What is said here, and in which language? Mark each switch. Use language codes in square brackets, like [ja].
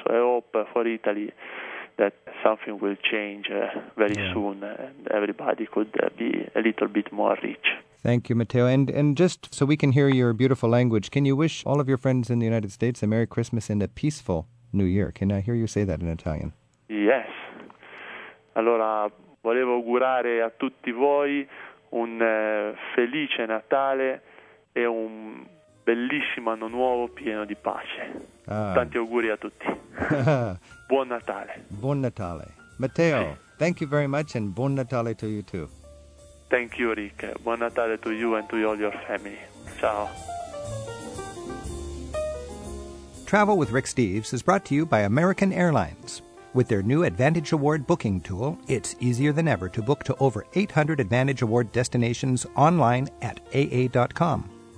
[en] So I hope for Italy that something will change very soon and everybody could be a little bit more rich. Thank you, Matteo. And just so we can hear your beautiful language, can you wish all of your friends in the United States a Merry Christmas and a peaceful New Year? Can I hear you say that in Italian? Yes. [it] Allora, volevo augurare a tutti voi un felice Natale e un bellissimo anno nuovo pieno di pace. Tanti auguri a tutti. Buon Natale. Buon Natale. [en] Matteo, thank you very much and [it] Buon Natale [en] to you too. Thank you, Rick. [it] Buon Natale [en] to you and to all your family. [it] Ciao. [en] Travel with Rick Steves is brought to you by American Airlines. With their new Advantage Award booking tool, it's easier than ever to book to over 800 Advantage Award destinations online at AA.com.